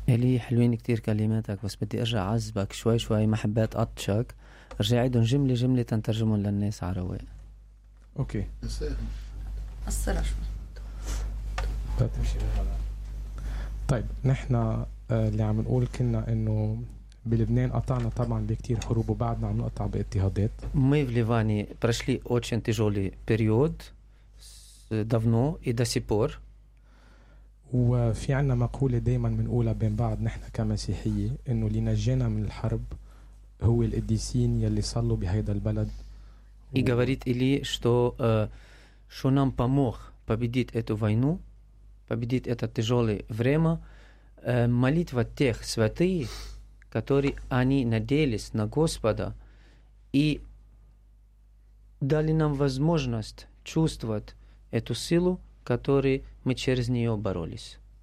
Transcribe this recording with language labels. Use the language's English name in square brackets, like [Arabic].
[Arabic] إلي حلوين كتير كلماتك، بس بدي أرجع عزبك شوي شوي، ما حبيت قطشك، رجع عيدهم جملة جملة تنترجمهم للناس على رواق. أوكي أصر شوي تمشي. طيب نحن اللي عم نقول كنا إنه بلبنان قطعنا طبعا بكتير حروب، وبعدنا عم نقطع باضطهادات. [Russian] Мы в Ливане прошли очень тяжелый период давно и до сих пор. [Arabic] وفي عنا مقولة دايما منقولها بين بعض نحن كمسيحية، إنه اللي نجينا من الحرب هو القديسين يلي صلوا بهيدا البلد. [Russian] И говорит Или, что что нам помог победить эту войну, победить это тяжелое время, молитва тех святых, которые они надеялись на Господа и дали нам возможность чувствовать эту силу, которой мы через нее боролись.